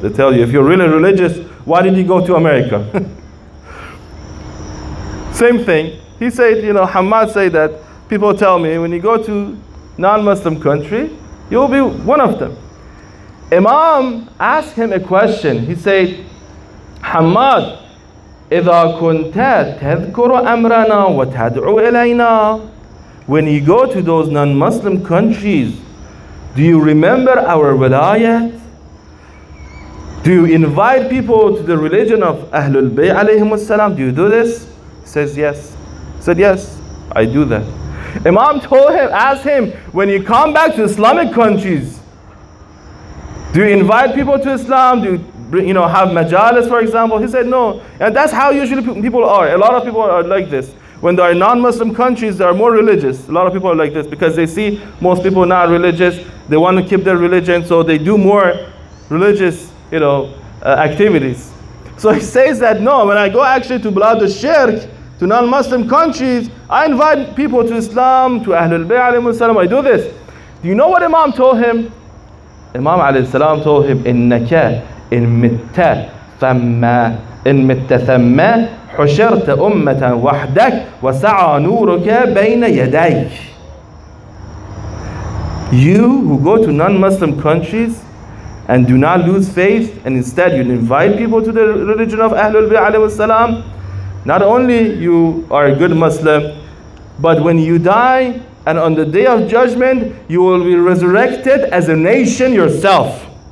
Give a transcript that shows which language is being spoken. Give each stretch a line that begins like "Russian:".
English: They tell you, if you're really religious, why did you go to America? Same thing. He said, you know, Hamad said that people tell me, when you go to non-Muslim country, you'll be one of them. Imam asked him a question. He said, Hamad,
Arabic: إِذَا كُنْتَ تَذْكُرُ أَمْرَنَا وَتَدْعُ إِلَيْنَا.
English: When you go to those non-Muslim countries, do you remember our wilayat? Do you invite people to the religion of Ahlul Bayt alayhim as-salam? Do you do this? He says, yes. He said, yes, I do that. Imam told him, asked him, when you come back to Islamic countries, do you invite people to Islam? Do you, you know, have majalis, for example? He said, no. And that's how usually people are. A lot of people are like this. When they are non-Muslim countries, they are more religious. A lot of people are like this because they see most people not religious. They want to keep their religion, so they do more religious, you know, activities. So he says that, no, when I go actually to Blad al-Shirk, to non-Muslim countries, I invite people to Islam, to Ahlul Bayt alayhi salam. I do this. Do you know what Imam told him?
Arabic: Imam alayhi salam
English: told him,
Arabic: إِنَّكَ إِن مِتَّ ثَمَّ إِن مِتَّ ثَمَّ حُشِرْتَ أُمَّةً وَحْدَكَ وَسَعَى نُورُكَ بَيْنَ يَدَيْكَ.
English: You who go to non-Muslim countries and do not lose faith, and instead you invite people to the religion of Ahlul Bayt alayhi salam, not only you are a good Muslim, but when you die and on the day of judgment, you will be resurrected as a nation yourself.